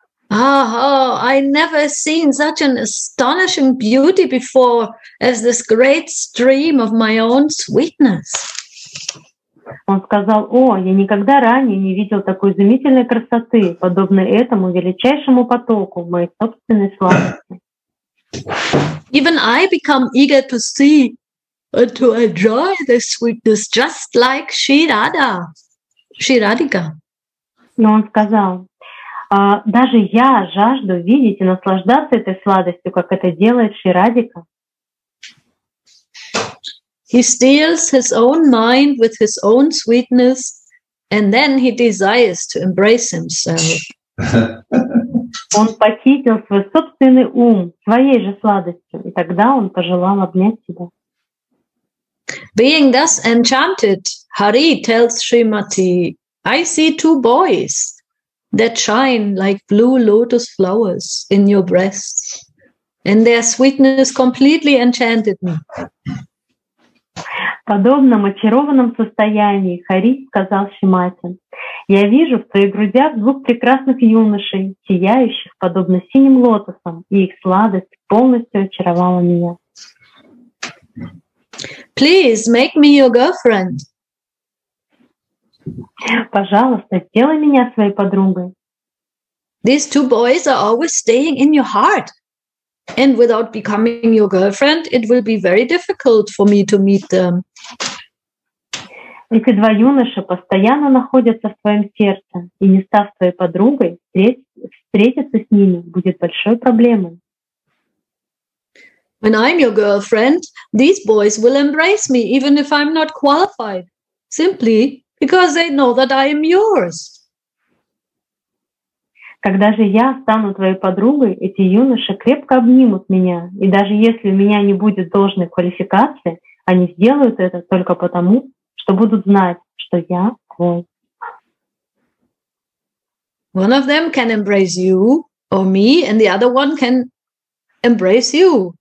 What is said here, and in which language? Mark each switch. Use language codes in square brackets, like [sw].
[en] I never seen such an astonishing beauty before as this great stream of my own sweetness. [ru] Он сказал, о, я никогда ранее не видел такой изумительной красоты, подобной этому величайшему потоку моей собственной сладости. [en] Even I become eager to see and to enjoy this sweetness just like Shri Radhika. [ru] Но он сказал, даже я жажду видеть и наслаждаться этой сладостью, как это делает Шри Радика. [en] He steals his own mind with his own sweetness, and then he desires to embrace himself. [ru] Он похитил свой собственный ум своей же сладостью, и тогда он пожелал обнять себя. [en] Being thus enchanted, Hari tells Srimati, I see two boys that shine like blue lotus flowers in your breasts, and their sweetness completely enchanted me. [ru] В подобном очарованном состоянии Хари сказал Шримати, «Я вижу в твоих грудях двух прекрасных юношей, сияющих подобно синим лотосам, и их сладость полностью очаровала меня». [en] «Please make me your girlfriend». [ru] «Пожалуйста, сделай меня своей подругой». [en] «These two boys are always staying in your heart». And without becoming your girlfriend, it will be very difficult for me to meet them. [ru] Эти два юноши постоянно находятся в твоем сердце, и не став твоей подругой, встретиться с ними будет большой проблемой. [en] When I'm your girlfriend, these boys will embrace me, even if I'm not qualified, simply because they know that I am yours. [ru] Когда же я стану твоей подругой, эти юноши крепко обнимут меня, и даже если у меня не будет должной квалификации, они сделают это только потому, что будут знать, что я твой. [en] One of them can embrace you or me, and the other one can embrace you.